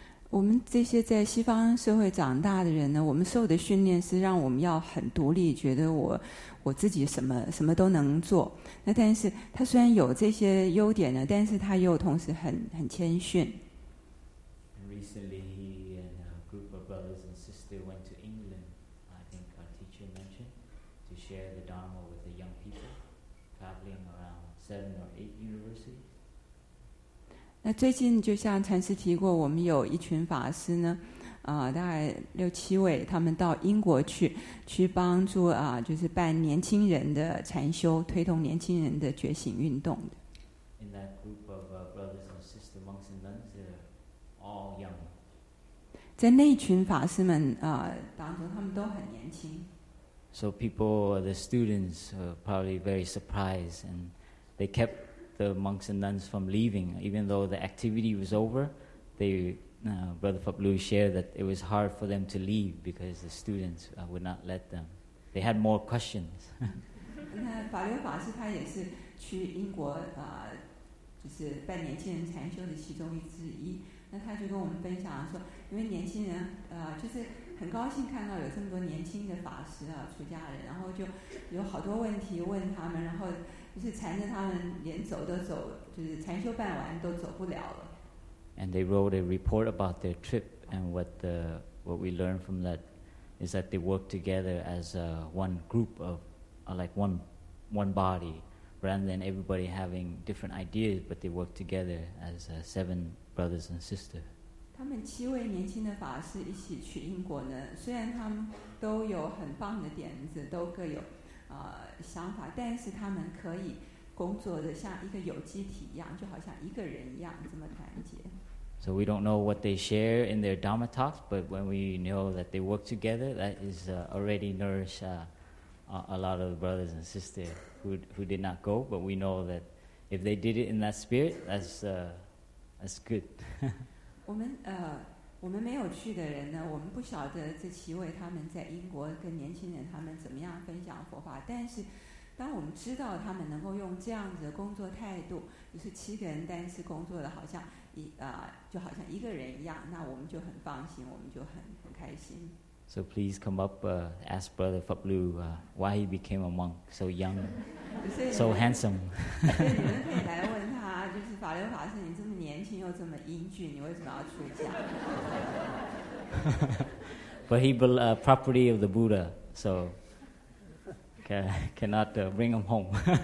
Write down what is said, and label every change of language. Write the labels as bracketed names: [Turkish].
[Chinese] 我们这些在西方社会长大的人呢，我们受的训练是让我们要很独立，觉得我自己什么都能做。那但是他虽然有这些优点呢，但是他又同时很谦逊。 [English] Recently, he and a group of brothers and sisters went to England. I think our teacher mentioned to share the Dharma with the young people traveling around 7 or 8 universities. [Chinese] 那最近就像禅师提过，我们有一群法师呢，大概6、7位，他们到英国去帮助就是办年轻人的禅修，推动年轻人的觉醒运动的。 [English] In that group of brothers and sisters, monks and nuns, they're all young. [Chinese] 在那群法师们当中，他们都很年轻。 [English] So people, the students, are probably very surprised, and they kept. The monks and nuns from leaving, even though the activity was over, Brother Fok Lu shared that it was hard for them to leave because the students would not let them. They had more questions. [Chinese] 那法流法师他也是去英国就是办年轻人禅修的其中之一。那他就跟我们分享说，因为年轻人就是很高兴看到有这么多年轻的法师啊，出家人，然后就有好多问题问他们，然后。就是缠着他们连走都走，就是禅修办完都走不了了。 [English] And they wrote a report about their trip, and what we learned from that is that they work together as one group of, like one body, rather than everybody having different ideas, but they work together as seven brothers and sisters. [Chinese] 他们七位年轻的法师一起去英国呢，虽然他们都有很棒的点子，都各有。想法，但是他们可以工作的像一个有机体一样，就好像一个人一样这么团结。 [English] So we don't know what they share in their Dharma talks, but when we know that they work together, that is already nourish a lot of brothers and sisters who did not go. But we know that if they did it in that spirit, that's good. [Chinese] 我们没有去的人呢，我们不晓得这七位他们在英国跟年轻人他们怎么样分享佛法。但是，当我们知道他们能够用这样子的工作态度，就是七个人，但是工作的好像就好像一个人一样，那我们就很放心，我们就很开心。 [English] So please come up, ask Brother Fok Lu, why he became a monk so young, so handsome. [Chinese] 你们可以来问他，就是法流法师，你这么年轻又这么英俊，你为什么要出家？ [English] But he was property of the Buddha, so cannot bring him home.